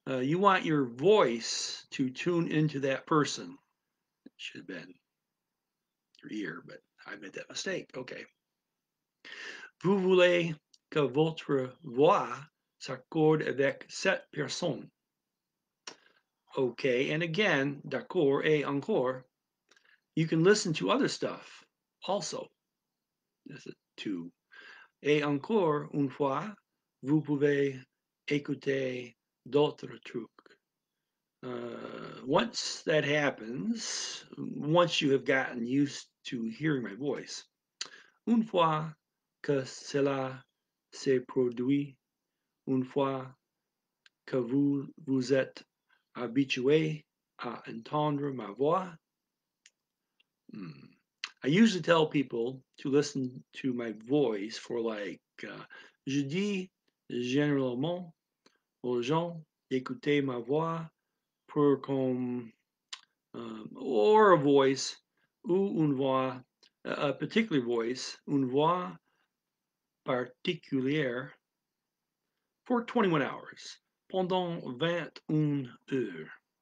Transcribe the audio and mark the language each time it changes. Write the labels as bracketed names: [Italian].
[English] You want your voice to tune into that person. Should have been ear, but I made that mistake. Okay. [French] Vous voulez que votre voix s'accorde avec cette personne. [English] Okay, and again, [French] d'accord et encore, [English] you can listen to other stuff also. This is two. [French] Et encore une fois, vous pouvez écouter d'autres trucs. [English] Once that happens, once you have gotten used to hearing my voice. [French] Une fois que cela s'est produit, une fois que vous êtes habitué à entendre ma voix, [English] I usually tell people to listen to my voice for like, [French] je dis généralement aux gens d'écouter ma voix pour comme, [English] or a voice, [French] ou une voix, [English] a particular voice, [French] une voix particulière, [English] for 21 hours, [French] pendant 21 heures.